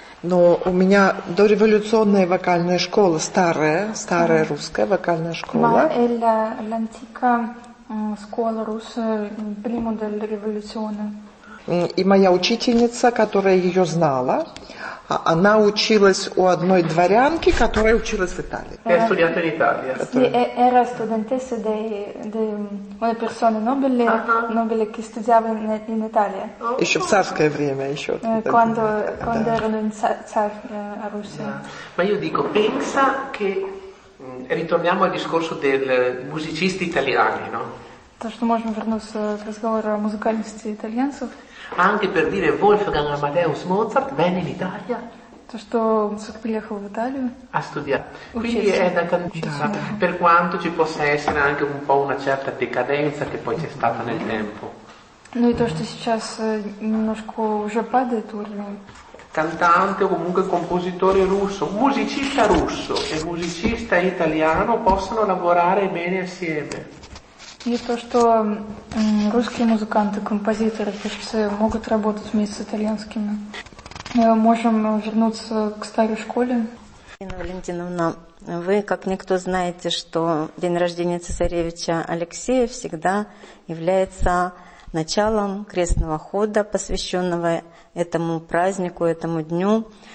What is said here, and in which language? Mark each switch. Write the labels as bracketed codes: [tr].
[ru] Но у меня дореволюционная вокальная школа, старая русская вокальная школа. [it] Ла антика школа русская, прима дель революционе. [ru] И моя учительница, которая ее знала, она училась у одной дворянки, которая училась в Италии. [it] Era studente in Italia. Era studentessa di una persona nobile, nobile che studiava in Italia. [ru] Еще в царское время, еще. [it] Quando erano in Zar Russia. Ma io dico, pensa che ritorniamo al discorso del musicisti italiani, no? [ru] То, что можем вернуться к разговору о музыкальности итальянцев. [it] Anche per dire Wolfgang Amadeus Mozart venne in Italia. [ru] То, что Моцарт приехал в Италию. [it] A studiare. Quindi è una cantata. Per quanto ci possa essere anche un po' una certa decadenza che poi c'è stata nel tempo. [ru] Ну и то, что сейчас немножко уже падает уровень. [it] Cantante o comunque compositore russo, musicista russo e musicista italiano possono lavorare bene assieme. [ru] И то, что русские музыканты, композиторы, певцы могут работать вместе с итальянскими. Мы можем вернуться к старой школе. Ирина Валентиновна, вы, как никто, знаете, что день рождения цесаревича Алексея всегда является началом крестного хода, посвященного этому празднику, этому дню.